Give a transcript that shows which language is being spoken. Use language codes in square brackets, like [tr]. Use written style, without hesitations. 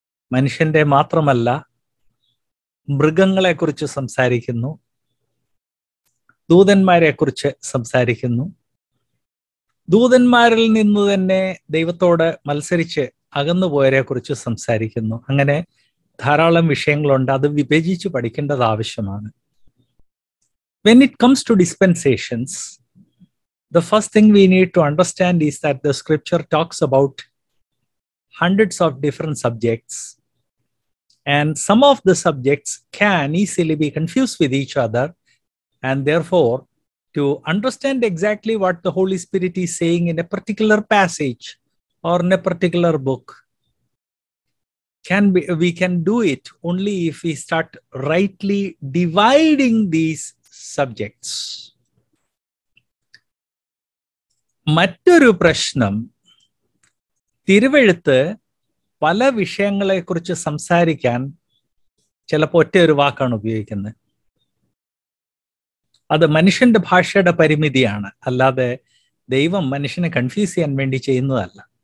[ml] മനുഷ്യൻ്റെ മാത്രമല്ല മൃഗങ്ങളെക്കുറിച്ച് സംസാരിക്കുന്നു, ദൂതന്മാരെക്കുറിച്ച് സംസാരിക്കുന്നു. ദൂതന്മാരിൽ നിന്ന് തന്നെ ദൈവത്തോട് മത്സരിച്ച് അകന്നുപോയവരെക്കുറിച്ച് സംസാരിക്കുന്നു. അങ്ങനെ ധാരാളം വിഷയങ്ങളുണ്ട്, അത് വിഭജിച്ച് പഠിക്കേണ്ടത് ആവശ്യമാണ്. [en] When it comes to dispensations, the first thing we need to understand is that the scripture talks about hundreds of different subjects, and some of the subjects can easily be confused with each other, and therefore to understand exactly what the Holy Spirit is saying in a particular passage or in a particular book we can do it only if we start rightly dividing these subjects. [ml] മറ്റൊരു പ്രശ്നം, തിരുവെഴുത്ത് പല വിഷയങ്ങളെക്കുറിച്ച് സംസാരിക്കാൻ ചിലപ്പോൾ ഒറ്റയൊരു വാക്കാണ് ഉപയോഗിക്കുന്നത്. അത് മനുഷ്യന്റെ ഭാഷയുടെ പരിമിതിയാണ്, അല്ലാതെ ദൈവം മനുഷ്യനെ കൺഫ്യൂസ് ചെയ്യാൻ വേണ്ടി ചെയ്യുന്നതല്ല.